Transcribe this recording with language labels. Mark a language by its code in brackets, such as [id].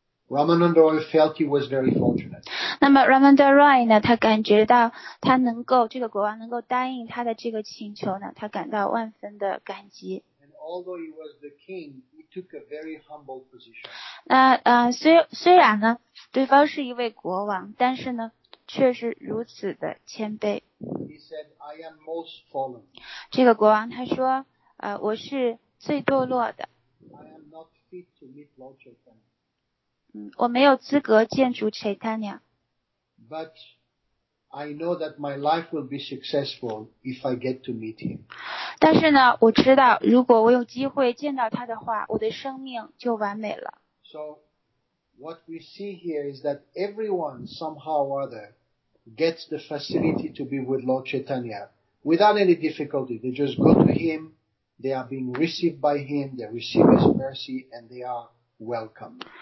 [en] Ramananda Roy felt he was very fortunate. [zh] 那么 Ramananda Roy 呢，他感觉到他能够这个国王能够答应他的这个请求呢，他感到万分的感激。 [en] And although he was the king, he took a very humble position. [zh] 那虽然呢，对方是一位国王，但是呢，却是如此的谦卑。 [en] He said, I am most fallen. [zh] 这个国王他说、我是最堕落的。 [en] I am not fit to meet Lord Chaitanya.、 [zh] 我没有资格见主 Chaitanya. [en] But I know that my life will be successful if I get to meet him. [zh] 但是呢我知道如果我有机会见到他的话我的生命就完美了。 [en] So,What we see here is that everyone, somehow or other, gets the facility to be with Lord Chaitanya without any difficulty. They just go to him, they are being received by him, they receive his mercy, and they are welcome.